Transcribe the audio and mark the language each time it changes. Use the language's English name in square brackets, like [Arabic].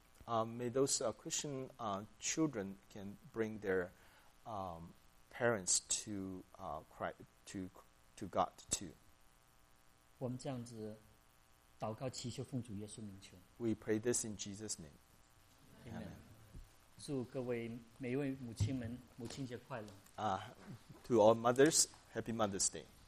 [English] May those Christian children can bring their parents to Christ, to God too. [Chinese] 我们这样子祷告祈求奉主耶稣名求。 [English] We pray this in Jesus' name. Amen. [Chinese] 祝各位每一位母亲们母亲节快乐。 [English] To all mothers, Happy Mother's Day.